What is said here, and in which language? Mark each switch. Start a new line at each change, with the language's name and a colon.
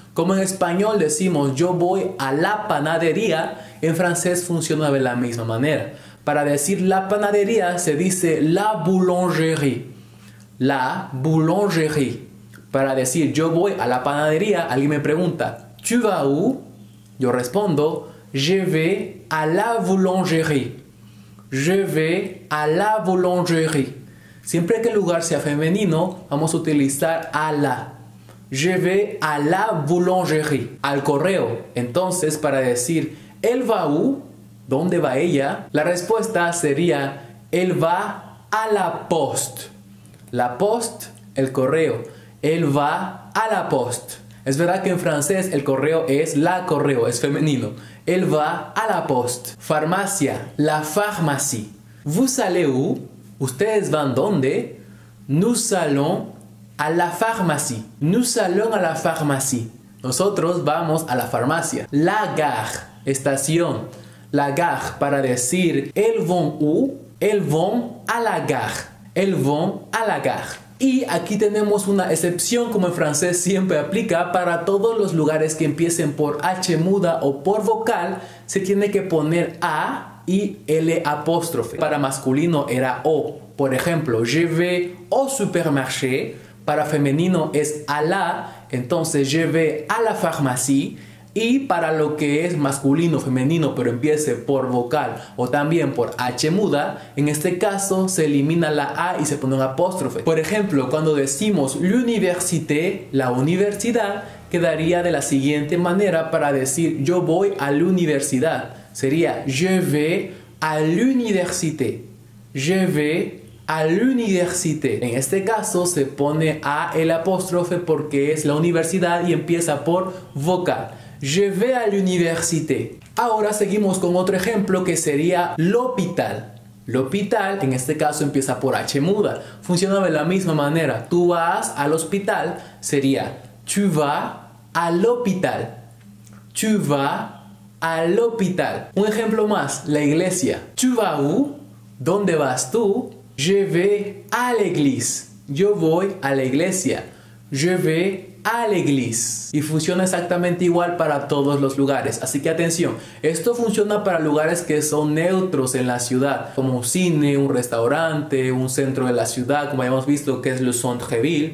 Spanish: Como en español decimos yo voy a la panadería, en francés funciona de la misma manera. Para decir la panadería se dice la boulangerie. La boulangerie. Para decir yo voy a la panadería, alguien me pregunta
French: ¿tu vas où?
Spanish: Yo respondo
French: je vais à la boulangerie. Je vais à la boulangerie.
Spanish: Siempre que el lugar sea femenino, vamos a utilizar a la.
French: Je vais à la boulangerie.
Spanish: Al correo. Entonces, para decir, ¿él va où? ¿Dónde va ella? La respuesta sería, él va
French: à la poste. La poste,
Spanish: el correo.
French: Él va à la poste.
Spanish: Es verdad que en francés el correo es la correo, es femenino. Él va
French: à la poste.
Spanish: Farmacia,
French: la pharmacie. Vous allez où?
Spanish: ¿Ustedes van dónde?
French: Nous allons à la pharmacie. Nous allons à la pharmacie.
Spanish: Nosotros vamos a la farmacia.
French: La gare,
Spanish: estación.
French: La gare,
Spanish: para decir,
French: ¿elles vont où? Elles vont à la gare.
Spanish: Elles vont à la gare. Y aquí tenemos una excepción, como en francés siempre aplica, para todos los lugares que empiecen por H muda o por vocal, se tiene que poner A y L apóstrofe. Para masculino era O. Por ejemplo,
French: je vais au supermarché.
Spanish: Para femenino es
French: à la,
Spanish: entonces
French: je vais à la pharmacie.
Spanish: Y para lo que es masculino, femenino, pero empiece por vocal o también por H muda, en este caso se elimina la A y se pone un apóstrofe. Por ejemplo, cuando decimos l'université, la universidad, quedaría de la siguiente manera para decir yo voy a la universidad.
French: Sería je vais à l'université. Je vais à l'université.
Spanish: En este caso se pone A el apóstrofe porque es la universidad y empieza por vocal.
French: Je vais à l'université.
Spanish: Ahora seguimos con otro ejemplo que sería l'hôpital. L'hôpital, en este caso empieza por H muda. Funciona de la misma manera. Tú vas al hospital, sería
French: tu vas à l'hôpital. Tu vas à l'hôpital.
Spanish: Un ejemplo más, la iglesia.
French: Tu vas où?
Spanish: ¿Dónde vas tú?
French: Je vais à l'église.
Spanish: Yo voy a la iglesia.
French: Je vais à l'église.
Spanish: Y funciona exactamente igual para todos los lugares. Así que atención, esto funciona para lugares que son neutros en la ciudad, como un cine, un restaurante, un centro de la ciudad, como habíamos visto que es le centre-ville.